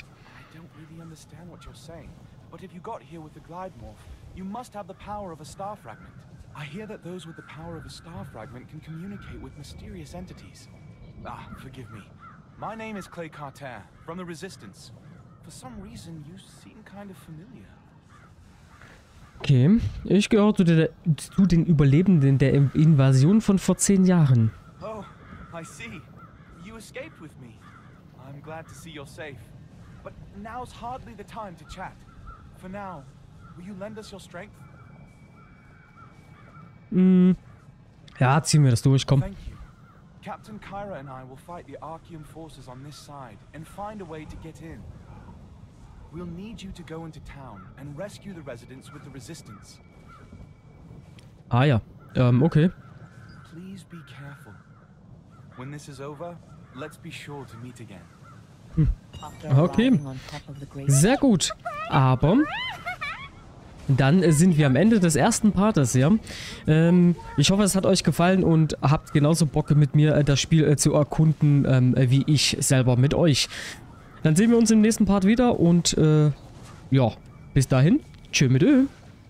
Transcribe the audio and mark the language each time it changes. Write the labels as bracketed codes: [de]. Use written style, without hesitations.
[en] I don't really understand what you're saying, but if you got here with the glide morph, you must have the power of a star fragment. I hear that those with the power of a star fragment can communicate with mysterious entities. Ah, forgive me. My name is Clay Carter from the Resistance. For some reason, you seem kind of familiar. [de] Okay, ich gehöre zu den Überlebenden der Invasion von vor 10 Jahren. [en] Oh, I see. You escaped with me. I'm glad to see you're safe. But now's hardly the time to chat. For now, will you lend us your strength? [de] Ja, ziehen wir das durch, komm. [en] Thank you. Captain Kyra and I will fight the Archeum forces on this side and find a way to get in. We'll need you to go into town and rescue the residents with the resistance. [de] Ah ja. Okay. [en] Please be careful. When this is over, let's be sure to meet again. [de] Okay. Sehr gut. Aber dann sind wir am Ende des ersten Partes, ja. Ich hoffe, es hat euch gefallen und habt genauso Bock mit mir das Spiel zu erkunden, wie ich selber mit euch. Dann sehen wir uns im nächsten Part wieder und ja, bis dahin. Tschö mit Ö.